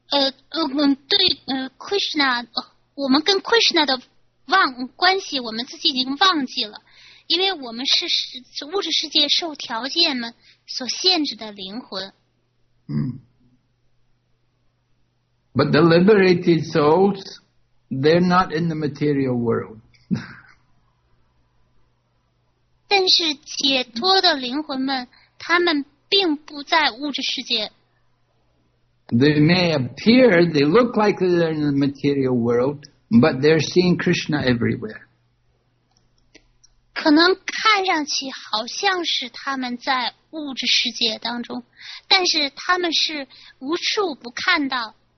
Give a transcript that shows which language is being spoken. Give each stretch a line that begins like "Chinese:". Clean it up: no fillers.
Chinese: 对 Krishna, 我们跟 Krishna 的关系，我们自己已经忘记了，因为我们是物质世界受条件们所限制的灵魂。
English: But the liberated souls, they're not in the material world.
Chinese: 但是解脱的灵魂们，他们并不在物质世界。
English: They may appear, they look like they're in the material world, but they're seeing Krishna everywhere.
Chinese: 可能看上去好像是他们在物质世界当中，但是他们是无处不看到。